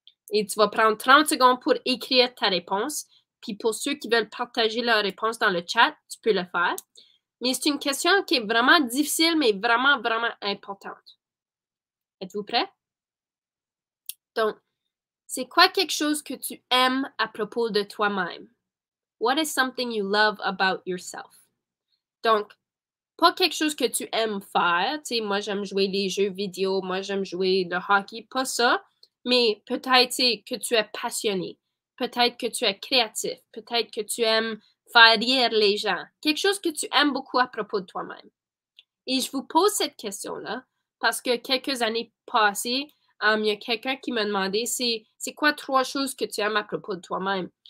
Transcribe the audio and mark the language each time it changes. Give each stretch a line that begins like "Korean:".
French: Et tu vas prendre 30 secondes pour écrire ta réponse. Puis pour ceux qui veulent partager leur réponse dans le chat, tu peux le faire. Mais c'est une question qui est vraiment difficile, mais vraiment, vraiment importante. Êtes-vous prêts? Donc, c'est quoi quelque chose que tu aimes à propos de toi-même?
English: What is something you love about yourself?
French: Donc, pas quelque chose que tu aimes faire. Tu sais, moi, j'aime jouer les jeux vidéo. Moi, j'aime jouer le hockey. Pas ça. Mais peut-être, tu sais, que tu es passionné. Peut-être que tu es créatif. Peut-être que tu aimes faire rire les gens. Quelque chose que tu aimes beaucoup à propos de toi-même. Et je vous pose cette question-là parce que quelques années passées, il y a quelqu'un qui m'a demandé c'est quoi trois choses que tu aimes à propos de toi-même.